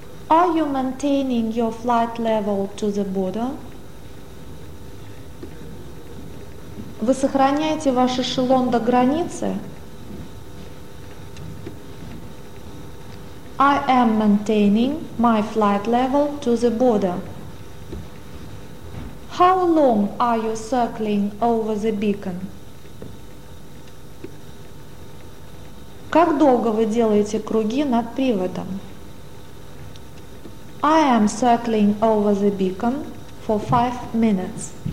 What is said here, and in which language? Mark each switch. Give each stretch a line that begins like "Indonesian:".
English: Are you maintaining your flight level to the border?
Russian: Вы сохраняете ваш эшелон до границы?
English: I am maintaining my flight level to the border. How long are you circling over the beacon?
Russian: Как долго вы делаете круги над приводом?
English: I am circling over the beacon for 5 minutes.